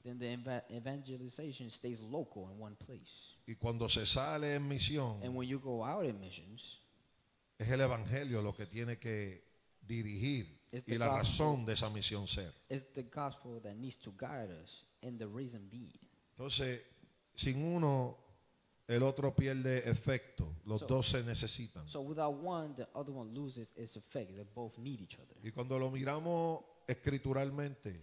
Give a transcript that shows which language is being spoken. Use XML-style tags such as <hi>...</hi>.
<en>Then the evangelization stays local in one place.</en> <es>Y cuando se sale en misión,</es> <en>and when you go out in missions,</en> <es>es el evangelio lo que tiene que dirigir y la razón de esa misión ser.</es> <en>It's the gospel that needs to guide us and the reason being.</en> <es>Entonces, sin uno, el otro pierde efecto. Los dos se necesitan.</es> <en>So without one, the other one loses its effect. They both need each other.</en> <es>Y cuando lo miramos escrituralmente,</es>